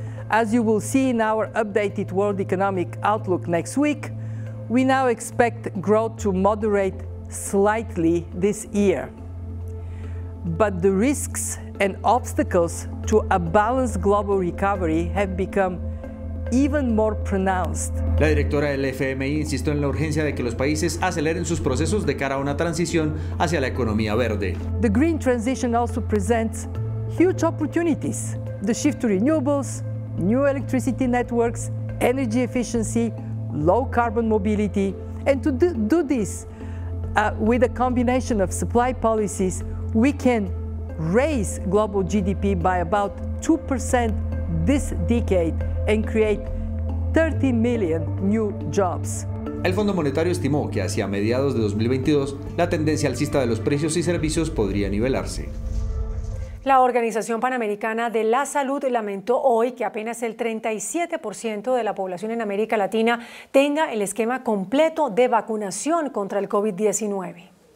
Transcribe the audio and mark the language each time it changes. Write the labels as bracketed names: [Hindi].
[English] As you will see in our updated World Economic Outlook next week, we now expect growth to moderate slightly this year. But the risks and obstacles to a balanced global recovery have become even more pronounced. [Spanish] La directora del FMI insistió en la urgencia de que los países aceleren sus procesos de cara a una transición hacia la economía verde. [English] The green transition also presents huge opportunities. The shift to renewables, new electricity networks, energy efficiency, low carbon mobility, and to do this with a combination of supply policies, we can raise global GDP by about 2% this decade and create 30 million new jobs. [Spanish] El Fondo Monetario estimó que hacia mediados de 2022 la tendencia alcista de los precios y servicios podría nivelarse. La Organización Panamericana de la Salud lamentó hoy que apenas el 37% de la población en América Latina tenga el esquema completo de vacunación contra el COVID-19.